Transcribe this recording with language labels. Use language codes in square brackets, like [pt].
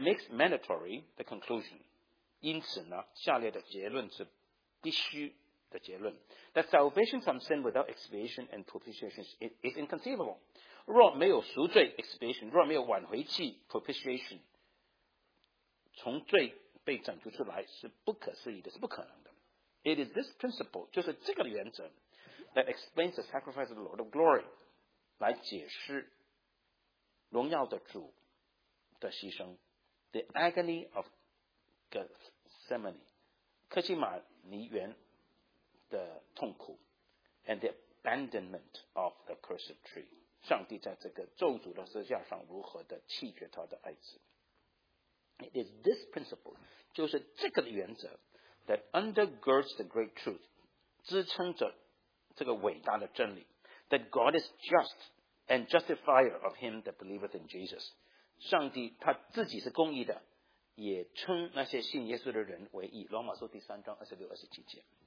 [en] mandatory the conclusion [zh] 因此呢，下列的结论是必须的结论 [en] ：That salvation from sin without expiation and propitiation is inconceivable. [zh] 若没有赎罪 expiation， 若没有挽回祭 propitiation， 从罪被拯救出来是不可思议的，是不可能的。 [en] It is this principle， [zh] 就是这个原则 [en] ，that explains the sacrifice of the Lord of glory， [zh] 来解释荣耀的主的牺牲 [en] ，the agony of。 [zh] Gethsemane 克西马尼园的痛苦 [en] and the abandonment of the cursed tree [zh] 上帝在这个咒诅的十字架上如何的弃绝他的爱子 [en] It is this principle [zh] 就是这个原则 [en] that undergirds the great truth [zh] 支撑着这个伟大的真理 [en] that God is just and justifier of him that believeth in Jesus [zh] 上帝他自己是公义的也称那些信耶稣的人为义罗马书第三章二十六二十七节